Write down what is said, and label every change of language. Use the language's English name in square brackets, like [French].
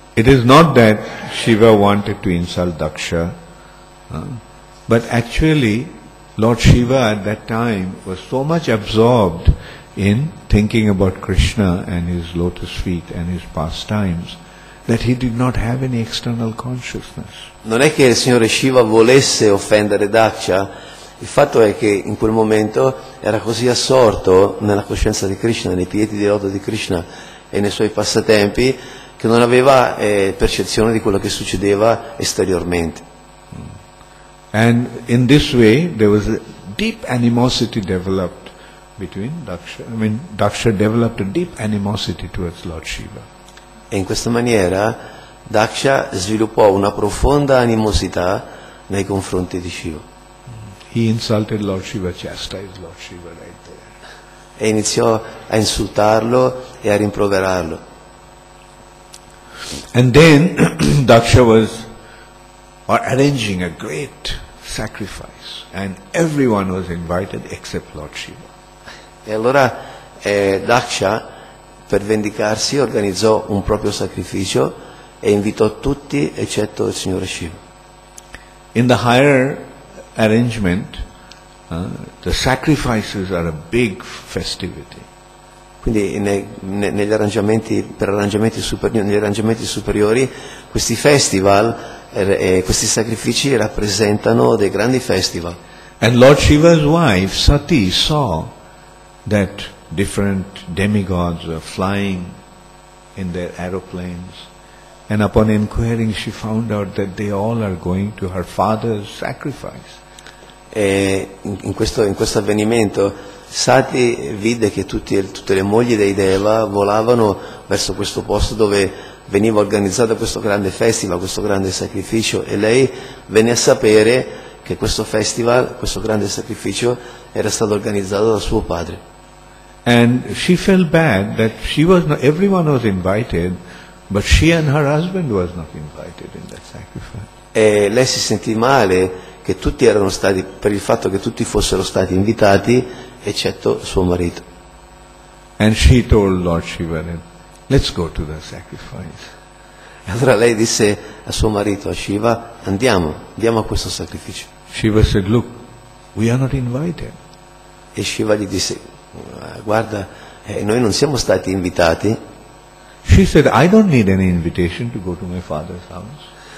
[English] It is not that Shiva wanted to insult Daksha, but actually Lord Shiva at that time was so much absorbed in thinking about Krishna and his lotus feet and his pastimes that he did not have any external consciousness. [Italian] Non è che il signore Shiva volesse offendere Daksha. Il fatto è che in quel momento era così assorto nella coscienza di Krishna, nei piedi di loto di Krishna e nei suoi passatempi, che non aveva percezione di quello che succedeva esteriormente. [English] And in this way there was a deep animosity developed between Daksha. I mean, Daksha developed a deep animosity towards Lord Shiva. [Italian] E in questa maniera Daksha sviluppò una profonda animosità nei confronti di Shiva. [English] He insulted Lord Shiva, chastised Lord Shiva right there. [Italian] E iniziò a insultarlo e a rimproverarlo. [English] And then Daksha was arranging a great sacrifice and everyone was invited except Lord Shiva. [Italian] E allora Daksha, per vendicarsi, organizzò un proprio sacrificio e invitò tutti eccetto il signore Shiva. [English] In the higher arrangement, the sacrifices are a big festivity. [Italian] Quindi negli arrangiamenti superiori, questi festival, questi sacrifici rappresentano dei grandi festival. [English] And Lord Shiva's wife Sati saw that different demigods were flying in their aeroplanes, and upon inquiring, she found out that they all are going to her father's sacrifice. [Italian] E in questo avvenimento Sati vide che tutte le mogli dei Deva volavano verso questo posto dove veniva organizzato questo grande festival, questo grande sacrificio, e lei venne a sapere che questo festival, questo grande sacrificio era stato organizzato da suo padre. [English] And she felt bad that she was not, everyone was invited, but she and her husband was not invited in that sacrifice. [Italian] E lei si sentì male che tutti erano stati, per il fatto che tutti fossero stati invitati, eccetto suo marito. [English] And she told Lord Shiva, let's go to the sacrifice. [Italian] Allora lei disse a suo marito, a Shiva, andiamo a questo sacrificio. [English] Shiva said, look, we are not invited. [Italian] E Shiva gli disse, guarda, noi non siamo stati invitati. [English] She said, I don't need any invitation to go to my father's house.